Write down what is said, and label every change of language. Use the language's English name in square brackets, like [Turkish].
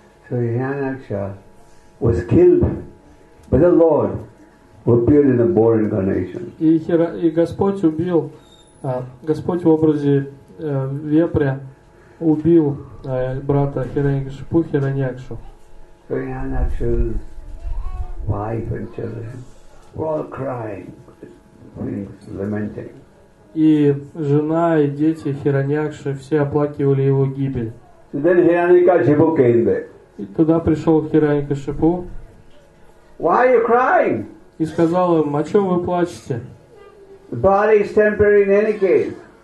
[English] So Хираньякша was killed by the Lord who appeared in the boar incarnation. [Russian] И Господь убил, Господь в образе вепря убил брата Хираньякшипу, Хираньякшу. [English] So Хираньякша's wife and children were all crying, lamenting. [Russian] И жена, и дети Хираньякши все оплакивали его гибель. [English] Then Hiranyakashipu came there. [Russian] И туда пришел Хираньякашипу. [English] Why are you crying? [Russian] И сказал им, о чем вы плачете? [English] The body is temporary in any case.